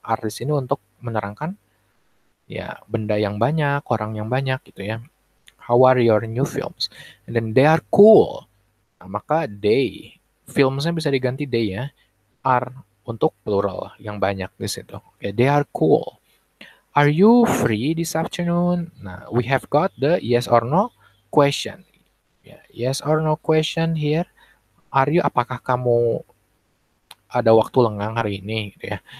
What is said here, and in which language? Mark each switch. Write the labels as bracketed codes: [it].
[id] Are di sini untuk menerangkan ya benda yang banyak, orang yang banyak gitu ya. [en] How are your new films? And then they are cool. [id] Nah, maka they. Filmsnya bisa diganti they ya. Are untuk plural yang banyak di situ. [en] Okay, they are cool. Are you free this afternoon? Nah, we have got the yes or no question. Yeah, yes or no question here. Are you, [id] apakah kamu ada waktu lengang hari ini, gitu ya.